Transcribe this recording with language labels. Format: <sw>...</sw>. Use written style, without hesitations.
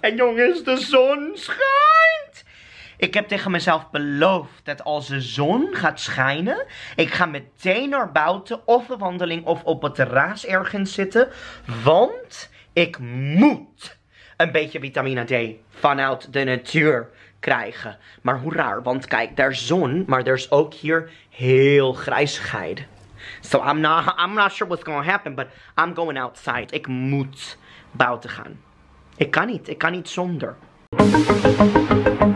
<nl>En jongens, de zon schijnt! Ik heb tegen mezelf beloofd dat als de zon gaat schijnen, ik ga meteen naar buiten of een wandeling of op het terras ergens zitten. Want ik moet een beetje vitamine D vanuit de natuur krijgen. Maar hoe raar, want kijk, daar is zon, maar er is ook hier heel grijzigheid.</nl> <en>So I'm not sure what's gonna happen, but I'm going outside.</en> <nl>Ik moet buiten gaan. Ik kan niet zonder.</nl>